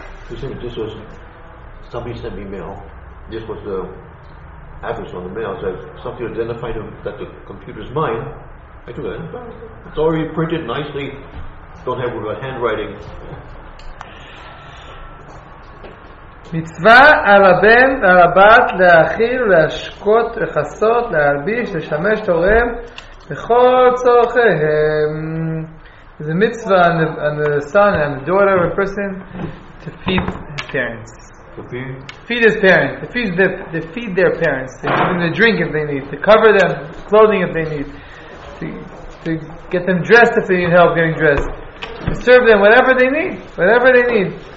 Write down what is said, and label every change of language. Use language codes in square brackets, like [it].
[en] You see, this was somebody sent me mail. This was the address on the mail. So somebody identified that the computer's mine. I took it. It's already printed nicely. Don't have a handwriting. [he] מצווה על הבן ועל הבת להכיל, להשקות, לחסות, להלביש, לשמש תורם בכל צורכיהם. זה מצווה [en] on the son and daughter of a person to feed his parents. To feed his parents. To feed their parents. To give them the drink if they need. To cover them. Clothing if they need. To get them dressed if they need help getting dressed. To serve them whatever they need. Whatever they need.